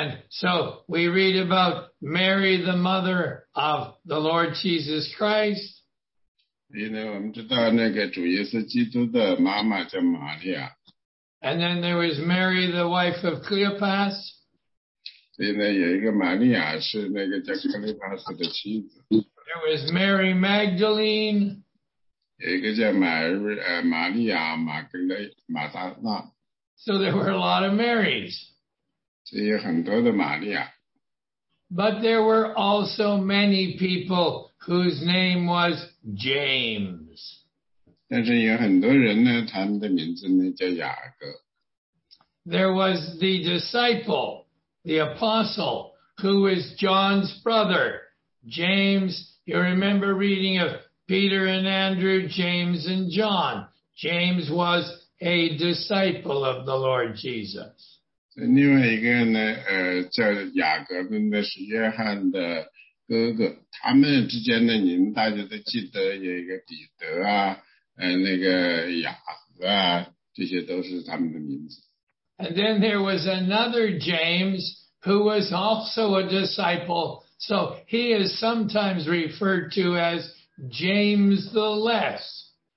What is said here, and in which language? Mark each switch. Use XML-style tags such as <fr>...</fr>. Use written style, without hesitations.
<en>so we read about Mary, the mother of the Lord Jesus Christ.</en> <zh>所以呢，我们知道那个主耶稣基督的妈妈叫玛利亚。</zh> <en>And then there was Mary, the wife of Cleopas.</en> <zh>所以呢，有一个玛利亚是那个叫克利巴斯的妻子。</zh> <en>There was Mary Magdalene.</en> <zh>有一个叫玛利亚马格雷马达纳。</zh> <en>So there were a lot of Marys.</en> <zh>所以有很多的玛利亚。</zh> <en>But there were also many people whose name was James.</en> <zh>但是有很多人呢，他们的名字呢叫雅各。</zh> <en>There was the disciple, the apostle, who is John's brother, James. You remember reading of Peter and Andrew, James and John. James was a disciple of the Lord Jesus.</en> <zh>另外一个呢，叫雅各的，那是约翰的哥哥。他们之间呢，您大家都记得有一个彼得啊，那个雅各啊，这些都是他们的名字。</zh> <en>And then there was another James, who was also a disciple. So he is sometimes referred to as James the Less.</en>